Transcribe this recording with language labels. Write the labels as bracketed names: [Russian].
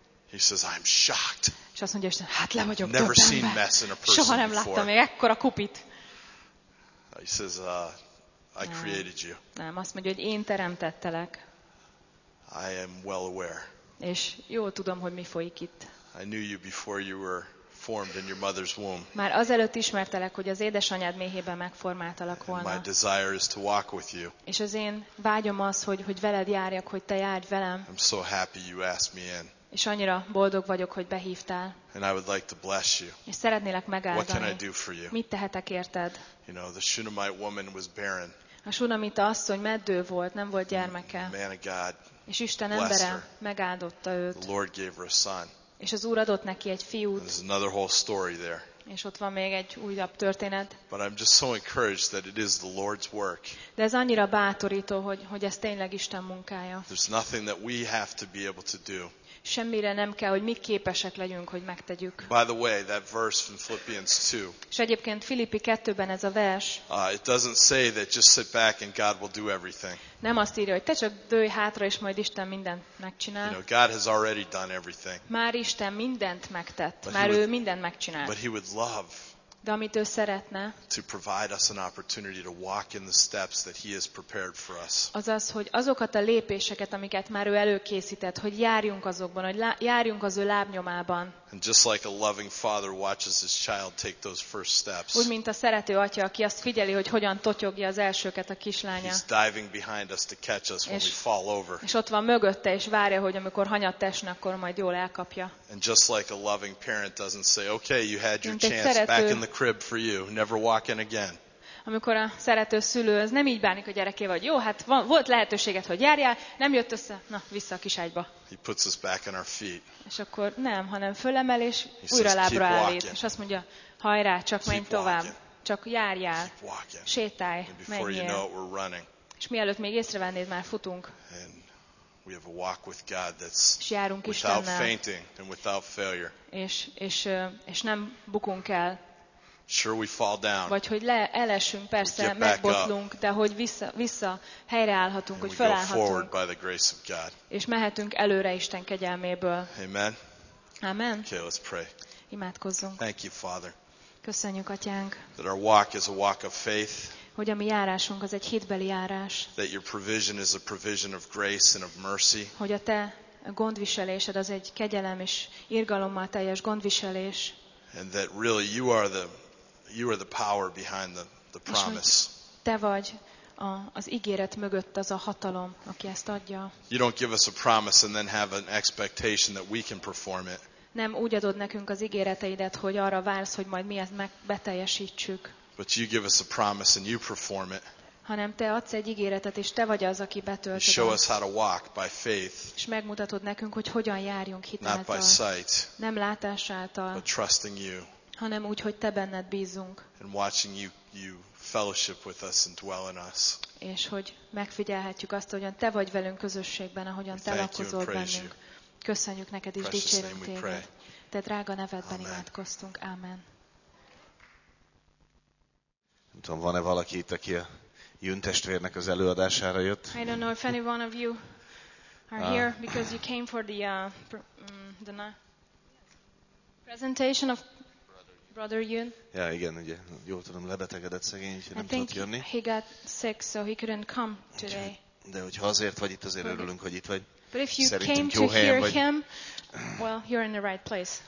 [English] He says, I'm shocked. [Hungarian] És azt mondja, hát le vagyok döbbenve. [English] Never seen mess in a person before. [Hungarian] Soha nem [English] before. [Hungarian] Láttam még ekkora kupit. [English] He says, I created you. [Hungarian] Nem, azt mondja, hogy én teremtettelek. [English] I am well aware. [Hungarian] És jól tudom, hogy mi folyik itt. [English] I knew you before you were formed in your mother's womb. [Hungarian] Már azelőtt ismertelek, hogy az édesanyád méhében megformáltalak volna. [English] My desire is to walk with you. [Hungarian] És az én vágyom az, hogy veled járjak, hogy te járj velem. [English] I'm so happy you asked me in. [Hungarian] És annyira boldog vagyok, hogy behívtál. [English] And I would like to bless you. [Hungarian] És szeretnélek megáldani. [English] What can I do for you? [Hungarian] Mit tehetek érted? [English] You know, the Shunammite woman was barren. [Hungarian] A Shunammita asszony meddő volt, nem volt gyermeke. [English] Man of God. [Hungarian] És Isten embere megáldotta őt. [English] The Lord gave her a son. [Hungarian] És az Úr adott neki egy fiút. [English] There's another whole story there. [Hungarian] És ott van még egy újabb történet. [English] But I'm just so encouraged that it is the Lord's work. [Hungarian] De ez annyira bátorító, hogy ez tényleg Isten munkája. [English] There's nothing that we have to be able to do. [Hungarian] Semmire nem kell, hogy mi képesek legyünk, hogy megtegyük. [English] By the way, that verse from Philippians 2. [Hungarian] És egyébként Filippi 2-ben ez a vers. [English] It doesn't say that just sit back and God will do everything. [Hungarian] Nem azt írja, hogy te csak dőlj hátra és majd Isten mindent megcsinál. [English] You know, God has already done everything. [Hungarian] Már Isten mindent megtett, már ő mindent megcsinált. [English] But he would love. [Hungarian] De amit ő szeretne. [English] To provide us an opportunity to walk in the steps that he has prepared for us. [Hungarian] Azaz, hogy azokat a lépéseket, amiket már ő előkészített, hogy járjunk azokban, hogy járjunk az ő lábnyomában. [English] And just like a loving father watches his child take those first steps. [Hungarian] Úgy mint a szerető atya, aki azt figyeli, hogy hogyan totyogja az elsőket a kislánya. [English] He's diving behind us to catch us when we fall over. [Hungarian] És ott van mögötte és várja, hogy amikor hanyatt esne, akkor majd jól elkapja. [English] And just like a loving parent doesn't say, okay, you had your chance back in the crib for you, never walk in again. [Hungarian] Amikor a szerető szülő az nem így bánik a gyerekével, hogy jó, hát van, volt lehetőséged, hogy járjál, nem jött össze, na, vissza a kiságyba. [English] He puts us back on our feet. [Hungarian] És akkor nem, hanem fölemel és újra lábra állít. És azt mondja, hajrá, csak menj tovább, csak járjál, sétálj, menjél. És mielőtt még észrevennéd, már futunk. [English] We have a walk with God that's [Hungarian] és járunk [English] without fainting and without failure. [Hungarian] És nem bukunk el. [English] Sure we fall down. [Hungarian] Vagy hogy elesünk, persze megbotlunk, de hogy vissza helyreállhatunk, [English] and [Hungarian] hogy felállhatunk. És mehetünk előre Isten kegyelméből. Amen. Amen. [English] Okay, let's pray. [Hungarian] Imádkozzunk. [English] Thank you, Father. [Hungarian] Köszönjük, Atyánk. [English] That our walk is a walk of faith. [Hungarian] Hogy a mi járásunk az egy hitbeli járás. [English] That your provision is a provision of grace and of mercy. [Hungarian] Hogy a te gondviselésed az egy kegyelem és irgalommal teljes gondviselés. [English] And that really you are the power behind the promise. [Hungarian] Te vagy az ígéret mögött az a hatalom, aki ezt adja. [English] You don't give us a promise and then have an expectation that we can perform it. [Hungarian] Nem úgy adod nekünk az ígéreteidet, hogy arra vársz, hogy majd mi ezt beteljesítsük. [English] But you give us a promise and you perform it. [Hungarian] Hanem te adsz egy ígéretet, és te vagy az, aki betöltöd. [English] Show us how to walk by faith. [Hungarian] És megmutatod nekünk, hogy hogyan járjunk hitáltal. Nem látás által. [English] But trusting you. [Hungarian] Hanem úgy, hogy te benned bízunk. [English] And watching you fellowship with us and dwell in us. [Hungarian] És hogy megfigyelhetjük azt, hogyan te vagy velünk közösségben, ahogyan te lakozol bennünk. Köszönjük neked és dicsérünk téged. Te drága nevedben imádkoztunk. Amen. Nem tudom, van-e valaki itt, aki a Jün testvérnek az előadására jött? [English] I don't know if any one of you are here because you came for the presentation of Brother Yun. [Hungarian] Ja, igen, ugye, jól tudom, lebetegedett szegény, úgyhogy nem tudott jönni. [English] He got sick, so he couldn't come today. [Hungarian] De hogyha azért vagy itt, azért örülünk, hogy itt vagy. [English] But if you came to hear him, well, you're in the right place.